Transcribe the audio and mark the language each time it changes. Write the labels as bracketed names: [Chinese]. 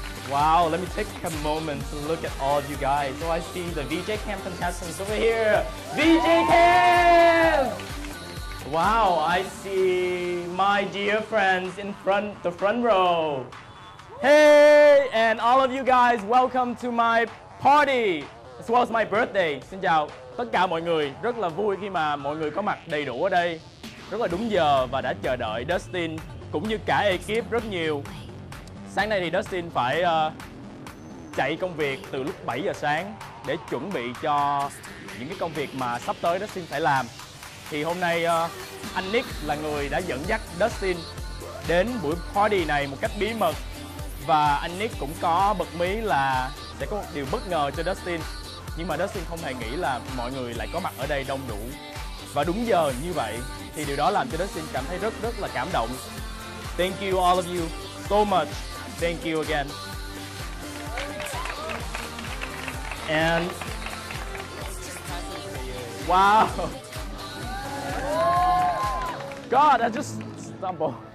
[English] Wow, let me take a moment to look at all of you guys. So I see the VJ Camp contestants over here. VJ Camp! Wow, I see my dear friends in front, the front row. Hey, and all of you guys, welcome to my party. As well as my birthday. [Vietnamese] Xin chào tất cả mọi người. Rất là vui khi mà mọi người có mặt đầy đủ ở đây. Rất là đúng giờ và đã chờ đợi Dustin cũng như cả ekip rất nhiều. Sáng nay thì Dustin phải chạy công việc từ lúc 7 giờ sáng để chuẩn bị cho những cái công việc mà sắp tới Dustin phải làm. Thì hôm nay anh Nick là người đã dẫn dắt Dustin đến buổi party này một cách bí mật. Và anh Nick cũng có bật mí là sẽ có một điều bất ngờ cho Dustin. Nhưng mà Dustin không hề nghĩ là mọi người lại có mặt ở đây đông đủ và đúng giờ như vậy, thì điều đó làm cho Dustin cảm thấy rất là cảm động. [English] Thank you all of you so much. Thank you again. And wow. God, I just stumbled.